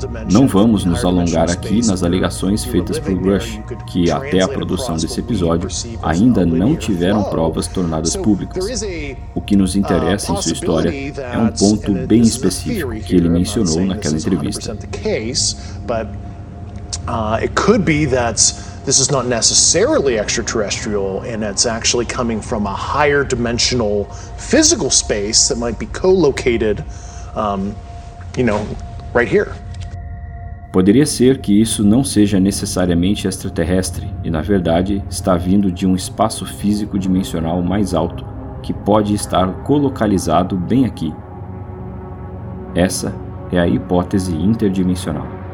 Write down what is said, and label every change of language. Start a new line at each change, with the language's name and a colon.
Portuguese: Não vamos nos alongar aqui nas alegações feitas por Grush, que até a produção desse episódio ainda não tiveram provas tornadas públicas. O que nos interessa em sua história é um ponto bem específico que ele mencionou naquela entrevista.
English: But it could be that this is not necessarily extraterrestrial and it's actually coming from a higher dimensional physical space that might be co-located, you know, right here.
Portuguese: Poderia ser que isso não seja necessariamente extraterrestre e, na verdade, está vindo de um espaço físico dimensional mais alto, que pode estar colocalizado bem aqui. Essa é a hipótese interdimensional.